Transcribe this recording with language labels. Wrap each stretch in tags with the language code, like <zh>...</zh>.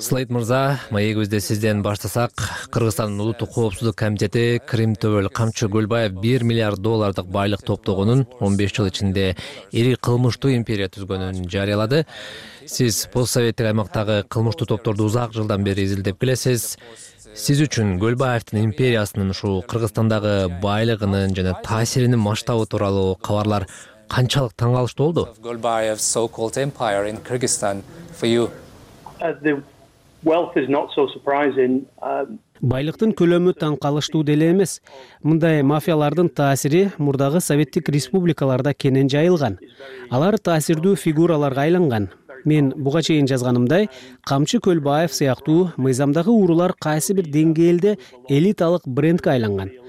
<ky>Слейт мырза, маегибизде сизден баштасак, Кыргызстандын улуттук коопсуздук комитети Крим Төбөл Камчы Көлбаев 1 миллиард доллардык байлык топтогонун 15 жыл ичинде ири кылмыштуу империя түзгөнүн жарыялады. Сиз постсоветтик аймактагы кылмыштуу топторду узак жылдан бери изилдеп келесиз. Сиз үчүн Көлбаевдин империясынын ушул Кыргызстандагы байлыгынын жана таасиринин масштабы тууралуу кабарлар канчалык таң калыштуу болду?</ky> <en>Golbayev's so-called empire in Kyrgyzstan for you. The wealth is not so surprising.</en> <ky>Байлыктын көлөмү таң калыштуу деле эмес. Мындай мафиялардын таасири мурдагы советтик республикаларда кенен жайылган. Алар таасирдүү фигураларга айланган. Мен буга чейин жазганымдай, Камчы Көлбаев сыяктуу мыйзамдагы уурулар кайсы бир деңгээлде элиталык брендке айланган.</ky>